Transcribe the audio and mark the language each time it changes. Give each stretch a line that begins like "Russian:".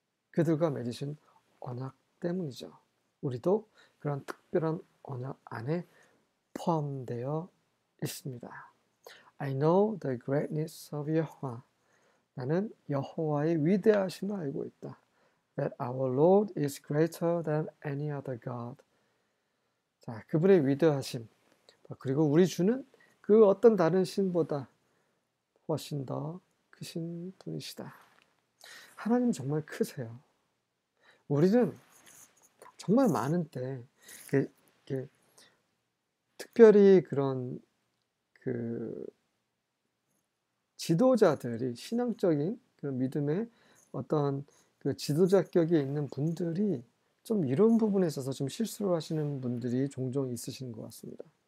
Korean: 그들과 맺으신 언약 때문이죠. 우리도 그런 특별한 언약 안에 포함되어 있습니다.
English: I know the greatness of Yahweh.
Korean: 나는 여호와의 위대하심을 알고 있다.
English: That our Lord is greater than any other God.
Korean: 자, 그분의 위대하심. 그리고 우리 주는 그 어떤 다른 신보다 훨씬 더 크신 분이시다. 하나님 정말 크세요. 우리는 정말 많은데, 특별히 그런 지도자들이 신앙적인 그런 믿음의 어떤 그 지도자격에 있는 분들이 좀 이런 부분에 있어서 좀 실수를 하시는 분들이 종종 있으신 것 같습니다.